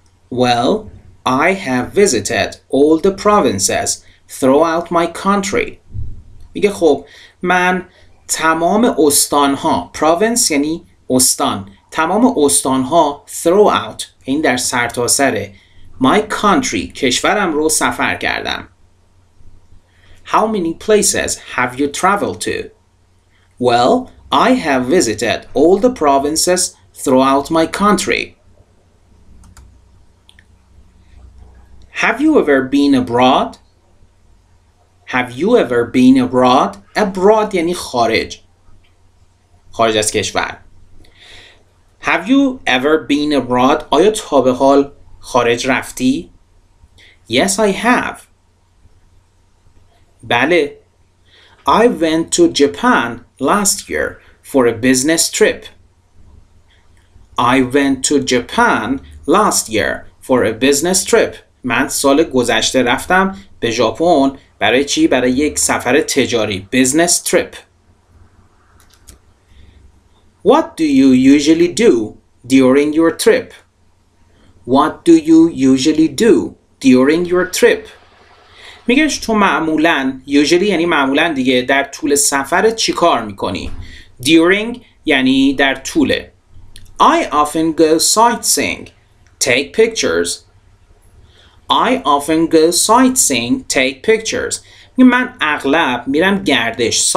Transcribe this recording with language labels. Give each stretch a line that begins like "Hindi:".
English: Well, I have visited all the provinces throughout my country.
Persian: میگه خب من تمام استانها، پروینس یعنی استان، تمام استانها throughout این در سرتاسر
English: my country
Persian: کشورم رو سفر کردم.
English: How many places have you traveled to? Well, I have visited all the provinces throughout my country. Have you ever been abroad? Have you ever been abroad?
Persian: Abroad یعنی خارج. خارج از کشور.
English: Have you ever been abroad?
Persian: آیا تا به حال خارج رفتی؟
English: Yes, I have.
Persian: بله.
English: I went to Japan last year for a business trip. I went to Japan last year for a business trip.
Persian: من سال گذشته رفتم به ژاپن برای چی؟ برای یک سفر تجاری.
English: Business trip. What do you usually do during your trip? What do you usually do during your trip?
Persian: میگه تو معمولاً، usually یعنی معمولاً دیگه، در طول سفر چی کار میکنی؟ During یعنی در طول.
English: I often go sightseeing, take pictures. I often go sightseeing, take pictures.
Persian: من اغلب میرم گردش.